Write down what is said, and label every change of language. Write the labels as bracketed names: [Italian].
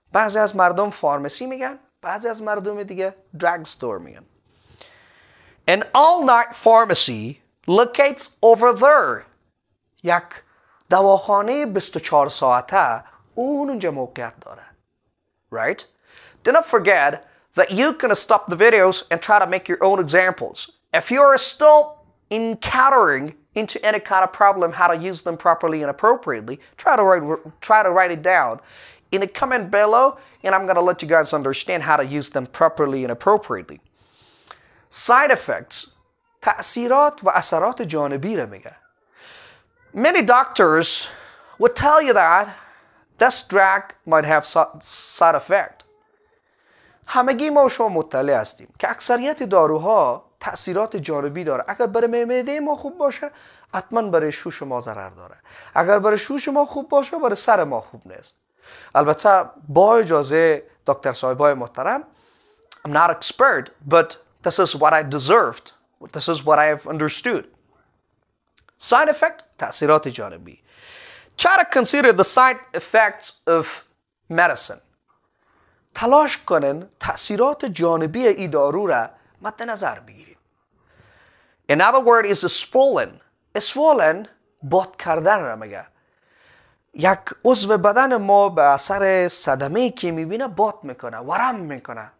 [Persian] بعضی از مردم فارمسی میگن، بعضی از مردم دیگه درگ استور میگن. [English] An all-night pharmacy locates over there. [Persian] یک دواخانه 24 ساعته اونجا موقعیت داره. [English] Right? Do not forget that you can stop the videos and try to make your own examples. If you are still encountering into any kind of problem, how to use them properly and appropriately, try to write it down in the comment below, and I'm going to let you guys understand how to use them properly and appropriately. Side effects. [Persian] تأثیرات و اثرات جانبی را میگه. [English] Many doctors would tell you that this drug might have side effect. [Persian] همگی ما شما مطلع هستیم که اکثریت داروها تأثیرات جانبی داره. اگر برای معده ما خوب باشه، حتما برای شوش ما ضرر داره. اگر برای شوش ما خوب باشه، برای سر ما خوب نیست. البته با اجازه دکتر صاحبای محترم، [English] I'm not expert, but this is what I deserved. This is what I have understood. Side effect, [Persian] تأثیرات جانبی. [English] Try to consider the side effects of medicine. [Persian] تلاش کنن تأثیرات جانبی این دارو را مد نظر بگیرید. [English] Another word is swollen. [Persian] Swollen, باد کردن را میگه. یک عضو بدن ما به اثر صدمه که میبینه باد میکنه، ورم میکنه.